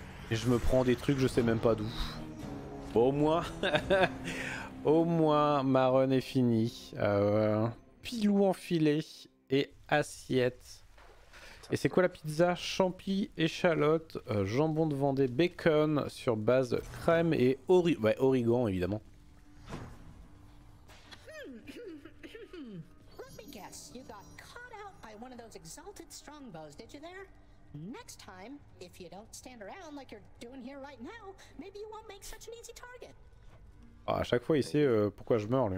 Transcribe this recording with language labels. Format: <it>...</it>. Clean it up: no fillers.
<fr>Et je me prends des trucs, je sais même pas d'où. Au moins, au moins, ma run est finie. Pilou enfilé et assiette. Et c'est quoi la pizza? Champi, échalote, jambon de Vendée, bacon sur base crème et origan évidemment.</fr> <en>Let me guess, you got caught out by one of those exalted strongbows, did you there? Next time, if you don't stand around like you're doing here right now, maybe you won't make such an easy target.</en> <fr>Ah, à chaque fois il sait pourquoi je meurs lui.</fr>